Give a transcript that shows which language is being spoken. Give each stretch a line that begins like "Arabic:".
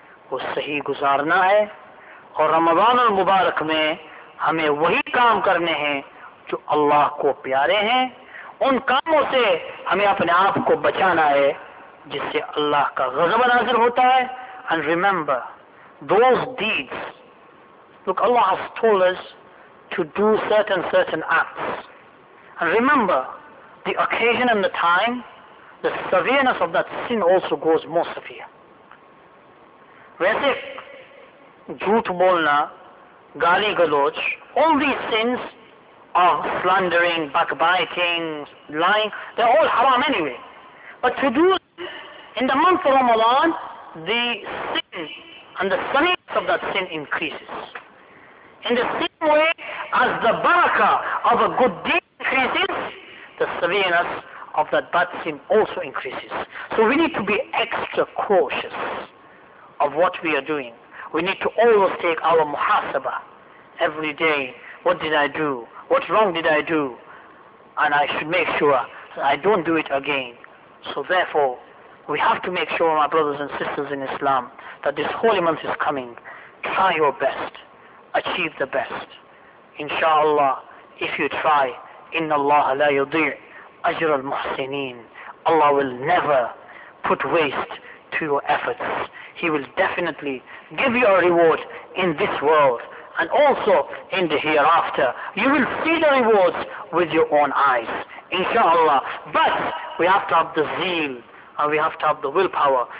Urdu: وہ صحیح گزارنا ہے اور رمضان المبارک میں ہمیں وہی کام کرنے ہیں جو اللہ کو پیارے ہیں ان کاموں سے ہمیں اپنے آپ کو بچانا ہے جس سے اللہ کا غضب نازل ہوتا ہے
English: and remember those deeds look Allah has told us to do certain acts. And remember, the occasion and the time, the severeness of that sin also goes more severe.
Urdu: Waise jhoot bolna, gaali galoch,
English: all these sins of slandering, backbiting, lying, they're all haram anyway. But to do in the month of Ramadan, the sin and the severeness of that sin increases. In the same way as the barakah of a good deed increases, the severeness of that bad sin also increases. So we need to be extra cautious of what we are doing. We need to always take our muhasaba every day. What did I do? What wrong did I do? And I should make sure that I don't do it again. So therefore, we have to make sure, my brothers and sisters in Islam, that this holy month is coming. Try your best. Achieve the best. Inshallah, if you try,
Arabic: إن الله لا يضيع أجر المحسنين.
English: Allah will never put waste to your efforts. He will definitely give you a reward in this world and also in the hereafter. You will see the rewards with your own eyes. Inshallah. But we have to have the zeal and we have to have the willpower.